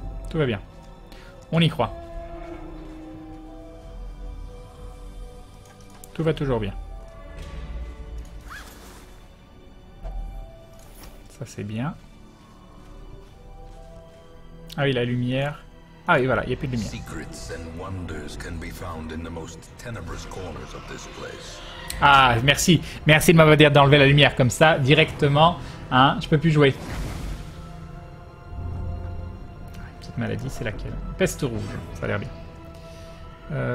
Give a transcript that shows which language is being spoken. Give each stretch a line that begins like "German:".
French: Tout va bien. On y croit. Tout va toujours bien. Ça, c'est bien. Ah oui, la lumière... Ah oui, voilà, il n'y a plus de lumière.
English: Secrets and wonders can be found in the most tenebrous corners of this place.
French: Ah, merci. Merci de m'avoir dit d'enlever la lumière comme ça, directement. Hein, je peux plus jouer. Petite maladie, c'est laquelle? Peste rouge, ça a l'air bien.